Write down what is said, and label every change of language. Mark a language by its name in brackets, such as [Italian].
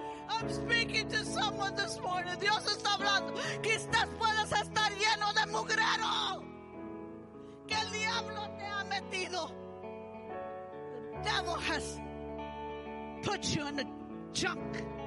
[English] I'm speaking to someone this morning. [Spanish] Dios está hablando. Quizás puedas estar lleno de mugrero. Que el diablo te ha metido. [English] The devil has put you in the junk.